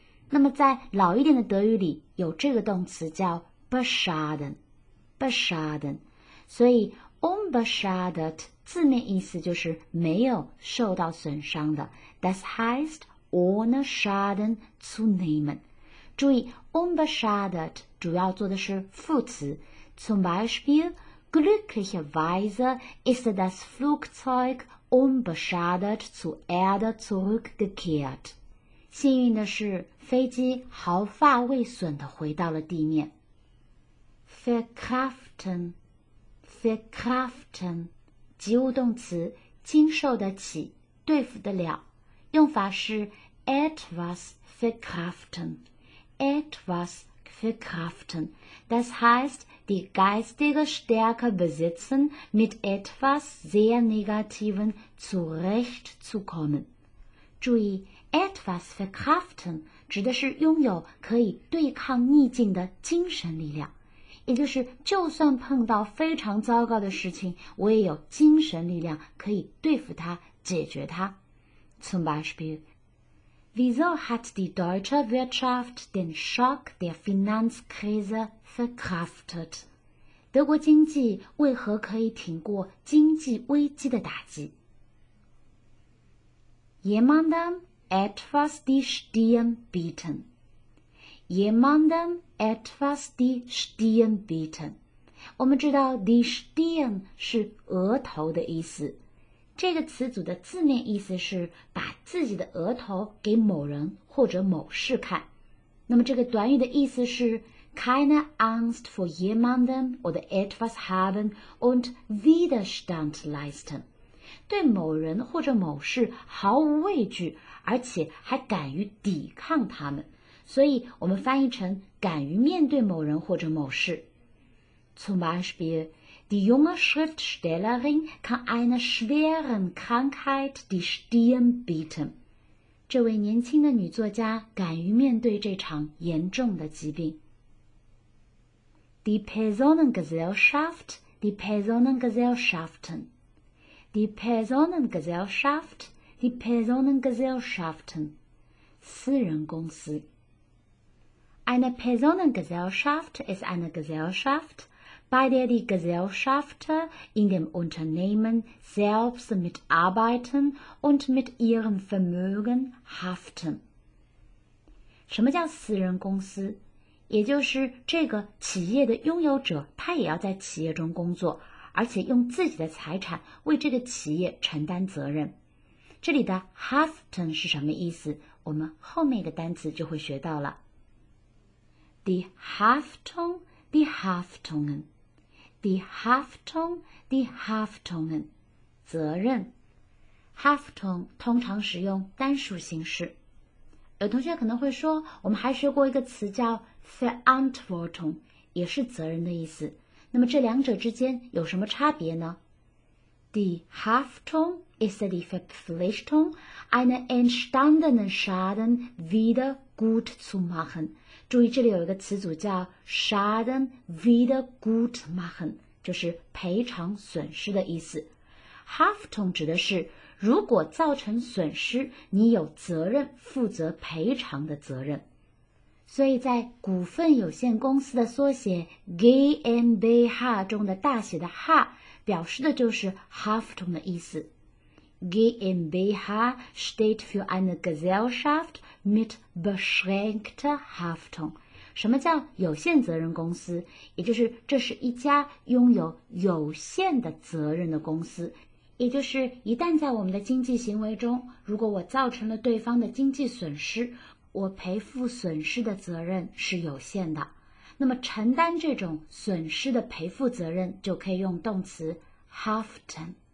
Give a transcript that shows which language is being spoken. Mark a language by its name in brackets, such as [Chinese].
[Chinese] 那么在老一点的德语里有这个动词叫 beschaden， beschaden， 所以 unbeschadet 字面意思就是没有受到损伤的， [German] das heißt ohne Schaden zu nehmen。 [Chinese] 注意 unbeschadet 主要做的是副词， [German] zum Beispiel glücklicherweise ist das Flugzeug unbeschadet zur Erde zurückgekehrt， [Chinese] 幸运的是飞机毫发未损地回到了地面。 verkraften， verkraften 及物动词，经受得起，对付得了，用法是 [German] etwas verkraften， etwas verkraften， das heißt die geistige Stärke besitzen mit etwas sehr negativen zurechtzukommen。 [Chinese] 注意 etwas verkraften 指的是拥有可以对抗逆境的精神力量，也就是就算碰到非常糟糕的事情，我也有精神力量可以对付它，解决它。 [German] zum Beispiel，Wieso hat die deutsche Wirtschaft den Schock der Finanzkrise verkraftet? [Chinese] 德国经济为何可以挺过经济危机的打击？ [German] Jemandem etwas die Stirn bieten. Jemandem etwas die Stirn bieten. [Chinese] 我们知道 die Stirn 是额头的意思。这个词组的字面意思是把自己的额头给某人或者某事看。那么这个短语的意思是 [German] keine Angst vor jemandem oder etwas haben und Widerstand leisten， [Chinese] 对某人或者某事毫无畏惧，而且还敢于抵抗他们，所以我们翻译成敢于面对某人或者某事。 [German] zum Beispiel Die junge Schriftstellerin kann einer schweren Krankheit die Stirn bieten. [Chinese] 这位年轻的女作家敢于面对这场严重的疾病。 [German] Die Personengesellschaft, die Personengesellschaften, die Personengesellschaft, die Personengesellschaften, [Chinese] 私人公司。 [German] Eine Personengesellschaft ist eine Gesellschaft,bei der die Gesellschafter in dem Unternehmen selbst mitarbeiten und mit ihrem Vermögen haften. [Chinese] 什么叫私人公司？也就是这个企业的拥有者，他也要在企业中工作，而且用自己的财产为这个企业承担责任。这里的 haften 是什么意思？我们后面一个单词就会学到了。 [German] Die Haftung, die Haftungen. Die Haftung, die Haftungen, [Chinese] 责任。 Haftung 通常使用单数形式。有同学可能会说，我们还学过一个词叫 Verantwortung, 也是责任的意思。那么这两者之间有什么差别呢？ [German] Die Haftung ist die Verpflichtung, einen entstandenen Schaden wieder gut zu machen. [Chinese] 注意这里有一个词组叫 [German] Schaden wieder gut machen， [Chinese] 就是赔偿损失的意思。 Haftung 指的是如果造成损失，你有责任负责赔偿的责任。所以在股份有限公司的缩写 GmbH 中的大写的 H 表示的就是 Haftung 的意思。 [German] GmbH steht für eine Gesellschaft mit beschränkter Haftung。 [Chinese] 什么叫有限责任公司？也就是这是一家拥有有限的责任的公司。也就是一旦在我们的经济行为中，如果我造成了对方的经济损失，我赔付损失的责任是有限的。那么承担这种损失的赔付责任就可以用动词 haften。